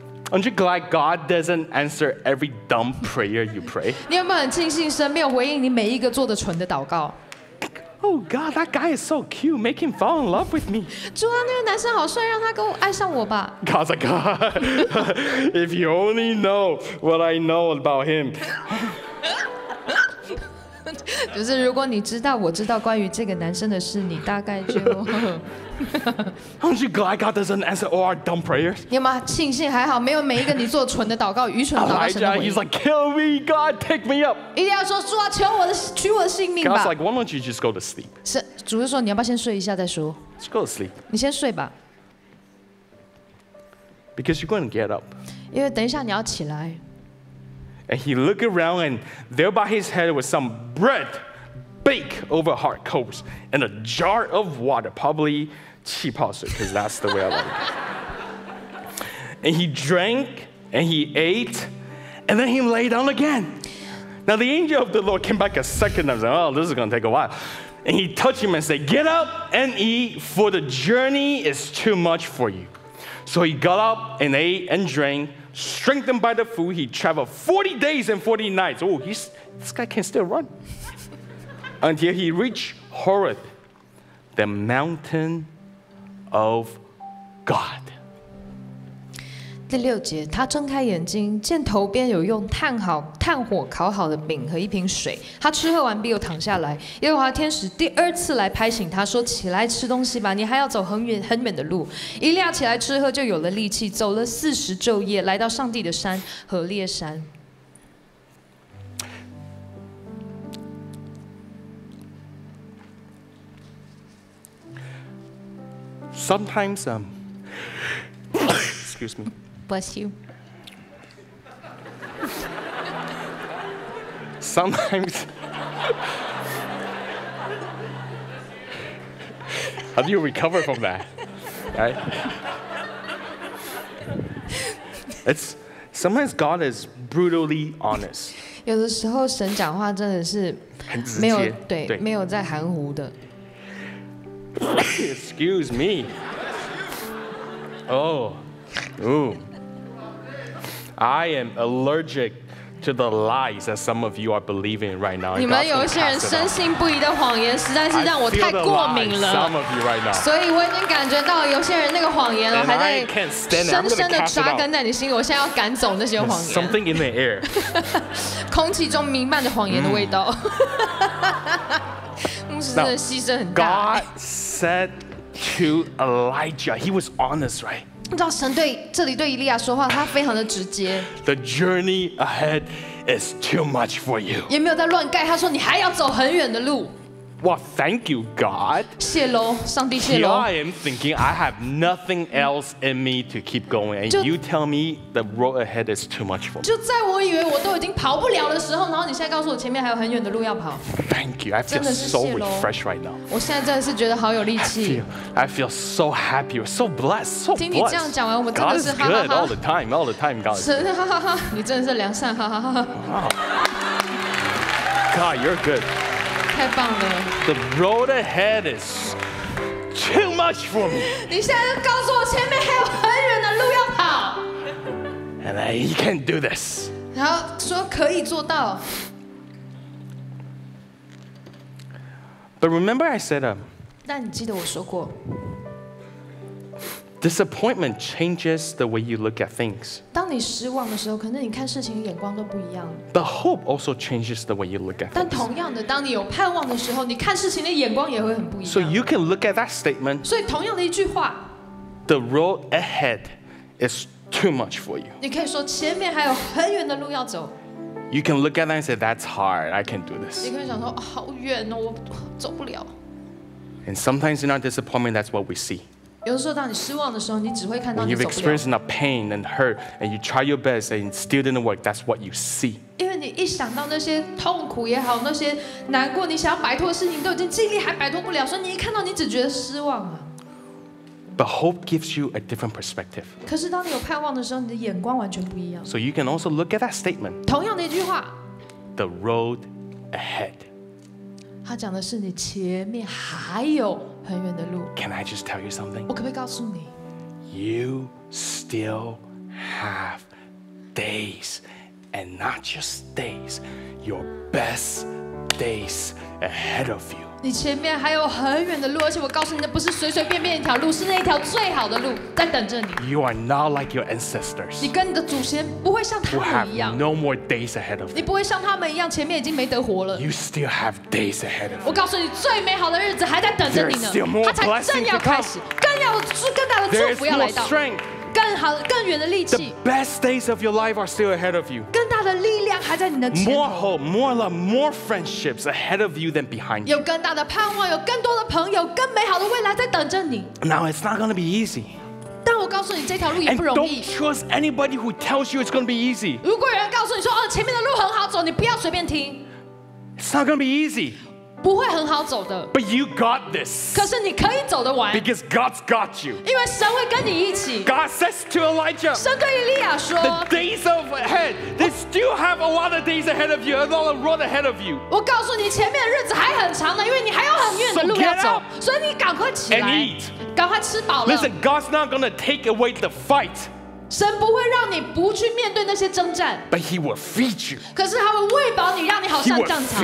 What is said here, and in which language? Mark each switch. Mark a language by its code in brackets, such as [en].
[en] Aren't you glad God doesn't answer every dumb prayer you pray? [zh] 你有没有很庆幸神没有回应你每一个做的蠢的祷告？ [en] Oh God, that guy is so cute, make him fall in love with me. [zh] 主啊，那个男生好帅，让他给我爱上我吧。 [en] God's like, God, if you only know what I know about him. [zh] 就是如果你知道我知道关于这个男生的事，你大概就。 [en] Aren't you glad God doesn't answer all our dumb prayers? [zh] 你有吗？庆幸还好，没有每一个你做蠢的祷告、愚蠢的祷告神的回应。 [en] He's like, kill me, God, take me up. [zh] 一定要说主啊，求我的，取我的性命吧。 [en] God's like, why don't you just go to sleep? [zh] 是，主是说你要不要先睡一下再说。 [en] Just go to sleep. [zh] 你先睡吧。 [en] Because you're going to get up. [zh] 因为等一下你要起来。 [en] And he looked around, and there by his head was some bread. Bake over hard coals and a jar of water, probably 气泡水 because that's the way I like it. And he drank and he ate, and then he lay down again. Now the angel of the Lord came back a second time and said, "Oh, this is going to take a while." And he touched him and said, "Get up and eat, for the journey is too much for you." So he got up and ate and drank, strengthened by the food. He traveled 40 days and 40 nights. Oh, this guy can still run. Until he reached Horeb, the mountain of God. [zh] 第六节，他睁开眼睛，见头边有用炭火烤好的饼和一瓶水。他吃喝完毕，又躺下来。耶和华天使第二次来拍醒他，说：“起来吃东西吧，你还要走很远的路。” 以利亚起来吃喝，就有了力气，走了40昼夜，来到上帝的山和烈山。 [en] Sometimes, excuse me. Bless you. Sometimes, how do you recover from that? Right? It's sometimes God is brutally honest. [zh] 有的时候神讲话真的是没有对，没有在含糊的。 [en] Excuse me. Oh, ooh. I am allergic to the lies that some of you are believing right now. [zh] 你们有一些人深信不疑的谎言，实在是让我太过敏了。 [en] Some of you right now. [zh] 所以我已经感觉到有些人那个谎言还在深深的扎根在你心里。我现在要赶走那些谎言。 [en] Something in the air. [zh] 空气中弥漫着谎言的味道。 [en] Now, God said to Elijah, he was honest, right? [zh] 你知道神对这里对以利亚说话，他非常的直接。 [en] The journey ahead is too much for you. [zh] 也没有在乱盖，他说你还要走很远的路。 [en] Well, thank you, God. [zh] 谢喽，上帝谢喽。 [en] Here I am thinking I have nothing else in me to keep going, and you tell me the road ahead is too much for me. [zh] 就在我以为我都已经跑不了的时候，然后你现在告诉我前面还有很远的路要跑。 [en] Thank you. I feel so refreshed right now. [zh] 我现在真的是觉得好有力气。 [en] I feel so happy, so blessed, so blessed. [zh] 听你这样讲完，我们真的是哈哈哈。 [en] God is good all the time, God. [zh] 是哈哈哈，你真的是良善，哈哈哈哈。 [en] God, you're good. [zh] 太棒了 [en] The road ahead is too much for me. [zh] 你现在告诉我前面还有很远的路要跑。 [en] And I can do this. [zh] 然后说可以做到。 [en] But remember, I said. [zh] 但你记得我说过。 [en] Disappointment changes the way you look at things. [zh] 当你失望的时候，可能你看事情的眼光都不一样。 [en] The hope also changes the way you look at things. [zh] 但同样的，当你有盼望的时候，你看事情的眼光也会很不一样。 [en] So you can look at that statement. [zh] 所以同样的一句话。 [en] The road ahead is too much for you. [zh] 你可以说前面还有很远的路要走。 [en] You can look at that and say that's hard. I can't do this. [zh] 你可以想说好远哦，我走不了。 [en] And sometimes in our disappointment, that's what we see. [zh] 有的时候，当你失望的时候，你只会看到你走不了。 [en] When you've experienced a pain and hurt, and you try your best and still didn't work, that's what you see. [zh] 因为你一想到那些痛苦也好，那些难过，你想要摆脱的事情都已经尽力还摆脱不了，所以你一看到你只觉得失望啊。 [en] But hope gives you a different perspective. [zh] 可是当你有盼望的时候，你的眼光完全不一样。 [en] So you can also look at that statement. [zh] 同样的一句话。 [en] The road ahead. [zh] 他讲的是你前面还有很远的路。 [en] Can I just tell you something? [zh] 我可不可以告诉你 [en] ？You still have days, and not just days, your best days ahead of you. [zh] 你前面还有很远的路，而且我告诉你，那不是随随便便一条路，是那一条最好的路在等着你。 [en] You are not like your ancestors. [zh] 你跟你的祖先不会像他们一样。 [en] You have no more days ahead of you. [zh] 你不会像他们一样，前面已经没得活了。 [en] You still have days ahead of you. [zh] 我告诉你，最美好的日子还在等着你呢。 [en] There is still more blessing to come. [zh] 更要更大的祝福要来到。 [en] There is more strength. [zh] 更好更远的力气 [en] The best days of your life are still ahead of you. [zh] 更大的力量还在你的前头 [en] More hope, more love, more friendships ahead of you than behind you. [zh] 有更大的盼望，有更多的朋友，更美好的未来在等着你 [en] Now it's not going to be easy. [zh] 但我告诉你，这条路也不容易 [en] And don't trust anybody who tells you it's going to be easy. [zh] 如果有人告诉你说，哦，前面的路很好走，你不要随便听 [en] It's not going to be easy. [zh] 不会很好走的。 [en] But you got this. [zh] 可是你可以走得完。 [en] Because God's got you. [zh] 因为神会跟你一起。 [en] God says to Elijah. [zh] 神对以利亚说。 [en] The days ahead, they still have a lot of days ahead of you, a lot of road ahead of you. [zh] 我告诉你，前面的日子还很长呢，因为你还有很远的路要走。所以你赶快起来。 [en] And eat. [zh] 赶快吃饱了。 [en] Listen, God's not going to take away the fight. [zh] 神不会让你不去面对那些征战 [en] But he will feed you. [zh] 可是他会喂饱你，让你好上战场